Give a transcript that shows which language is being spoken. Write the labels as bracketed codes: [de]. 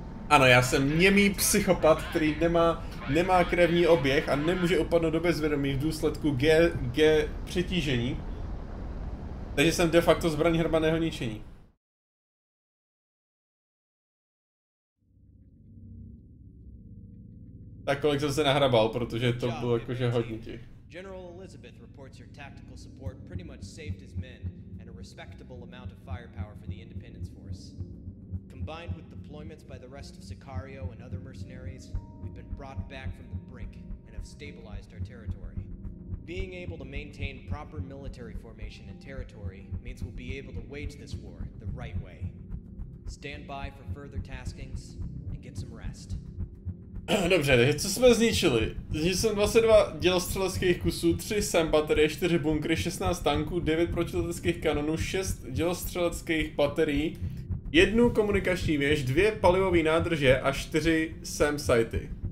[cs] Ano, já jsem němý psychopat, který nemá krevní oběh a nemůže upadnout do bezvědomí v důsledku G přetížení. Takže jsem de facto zbraň hrbaného ničení. Tak kolik jsem se nahrabal, protože to bylo jakože hodně těch. [en] General Elizabeth reports your tactical support pretty much saved his men and a respectable amount of firepower for the Independence Force. Combined with deployments by the rest of Sicario and other mercenaries, we've been brought back from the brink and have stabilized our territory. Being able to maintain proper military formation and territory means we'll be able to wage this war the right way. Stand by for further taskings and get some rest. [cs] Dobře, takže co jsme zničili? Zničil jsem 22 dělostřeleckých kusů, 3 SAM baterie, 4 bunkry, 16 tanků, 9 protileteckých kanonů, 6 dělostřeleckých baterií, 1 komunikační věž, 2 palivové nádrže a 4 SAM sajty.